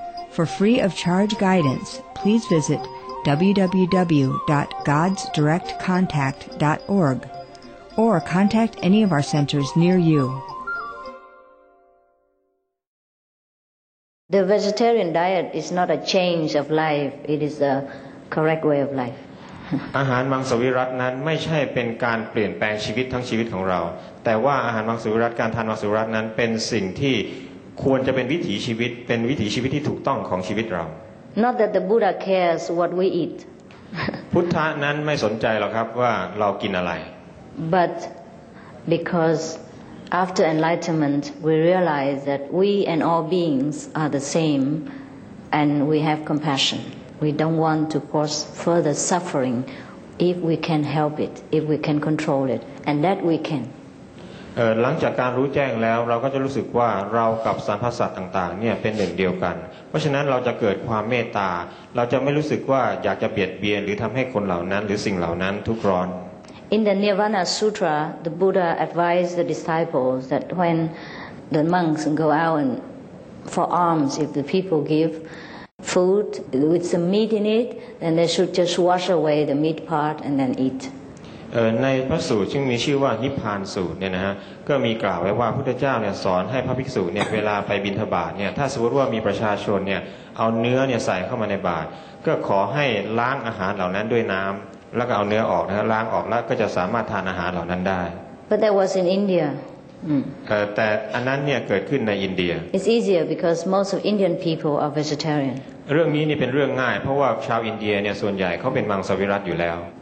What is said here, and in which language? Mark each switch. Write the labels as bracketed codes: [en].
[en] For free of charge guidance, please visit www.godsdirectcontact.org or contact any of our centers near you. The vegetarian diet is not a change of life, it is a correct way of life. [th] อาหารมังสวิรัตินั้นไม่ใช่เป็นการเปลี่ยนแปลงชีวิตทั้งชีวิตของเราแต่ว่าอาหารมังสวิรัติการทานมังสวิรัตินั้นเป็นสิ่งที่ควรจะเป็นวิถีชีวิตเป็นวิถีชีวิตที่ถูกต้องของชีวิตเรา [en] Not that the Buddha cares what we eat. [th] พุทธะนั้นไม่สนใจหรอกครับว่าเรากินอะไร [en] But becauseAfter enlightenment, we realize that we and all beings are the same, and we have compassion. We don't want to cause further suffering if we can help it, if we can control it, and that we can. [th] หลังจากการรู้แจ้งแล้วเราก็จะรู้สึกว่าเรากับสรรพสัตว์ต่างๆเนี่ยเป็นหนึ่งเดียวกันเพราะฉะนั้นเราจะเกิดความเมตตาเราจะไม่รู้สึกว่าอยากจะเบียดเบียนหรือทำให้คนเหล่านั้นหรือสิ่งเหล่านั้นทุกข์ร้อน [en] In the Nirvana Sutra, the Buddha advised the disciples that when the monks go out and for alms, if the people give food with some meat in it, then they should just wash away the meat part and then eat. [th] ในพระสูตรซึ่งมีชื่อว่านิพพานสูตรเนี่ยนะฮะก็มีกล่าวไว้ว่าพุทธเจ้าเนี่ยสอนให้พระภิกษุเนี่ยเวลาไปบิณฑบาตเนี่ยถ้าสมมติว่ามีประชาชนเนี่ยเอาเนื้อเนี่ยใส่เข้ามาในบาตรก็ขอให้ล้างอาหารเหล่านั้นด้วยน้ำแล้วก็เอาเนื้อออกนะล้างออกแล้วก็จะสามารถทานอาหารเหล่านั้นได้ [en] But that was in India. [th] แต่อันนั้นเนี่ยเกิดขึ้นในอินเดีย [en] It's easier because most of Indian people are vegetarian. [th] เรื่องนี้นี่เป็นเรื่องง่ายเพราะว่าชาวอินเดียเนี่ยส่วนใหญ่เขาเป็นมังสวิรัติอยู่แล้ว